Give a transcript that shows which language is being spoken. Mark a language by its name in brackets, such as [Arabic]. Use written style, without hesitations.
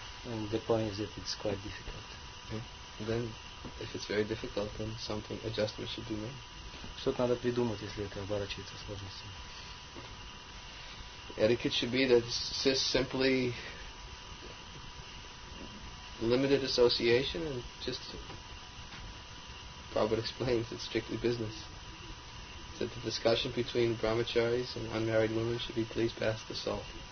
[English] And the point is that it's quite difficult. Okay. Then, if it's very difficult, then something adjustment should be made. [Russian] Что-то надо придумать, если это оборачивается сложностью. [English] Etiquette should be that just simply limited association and just Prabhupada explains it's strictly business. That the discussion between brahmacharis and unmarried women should be please pass the salt.